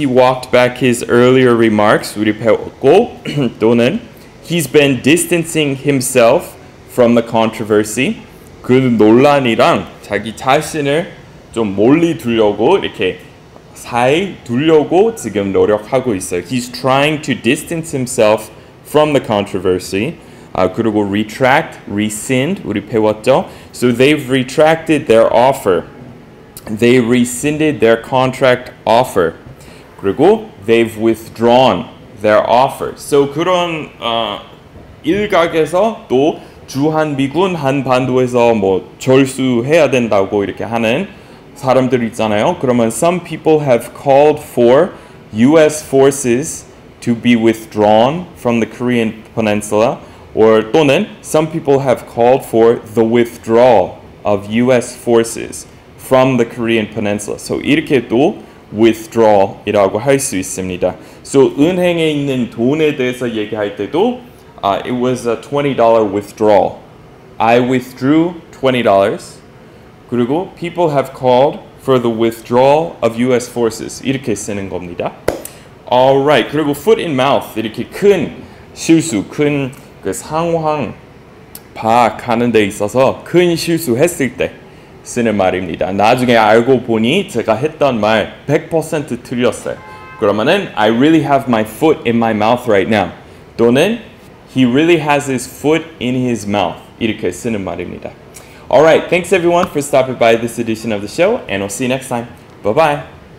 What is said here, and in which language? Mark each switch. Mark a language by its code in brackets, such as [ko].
[en] He walked back his earlier remarks. [ko] 우리 배웠고 또는 [en] he's been distancing himself from the controversy. [ko] 그 논란이랑 자기 자신을 좀 멀리 두려고 이렇게 사이 두려고 지금 노력하고 있어요. [en] He's trying to distance himself from the controversy. 그리고 retract, rescind, [ko] 우리 배웠죠? [en] So they've retracted their offer. They rescinded their contract offer. 그리고 they've withdrawn their offer. [ko] So 그런 일각에서 또 주한미군 한반도에서 뭐 절수해야 된다고 이렇게 하는 사람들 있잖아요. [en] 그러면 some people have called for US forces to be withdrawn from the Korean Peninsula or 또는 some people have called for the withdrawal of US forces from the Korean Peninsula. [ko] So 이렇게 또 withdrawal이라고 할 수 있습니다. So 은행에 있는 돈에 대해서 얘기할 때도 [en] it was a $20 withdrawal. I withdrew $20. 그리고 people have called for the withdrawal of U.S. [ko] forces. 이렇게 쓰는 겁니다. All right. 그리고 foot in mouth. 이렇게 큰 실수, 큰 그 상황 파악하는 데 있어서 큰 실수 했을 때 쓰는 말입니다. 나중에 알고 보니 제가 했던 말 100% 틀렸어요. [en] 그러면은 I really have my foot in my mouth right now. 또는 He really has his foot in his mouth. [ko] 이렇게 쓰는 말입니다. [en] Alright, thanks everyone for stopping by this edition of the show, and I'll see you next time. Bye-bye.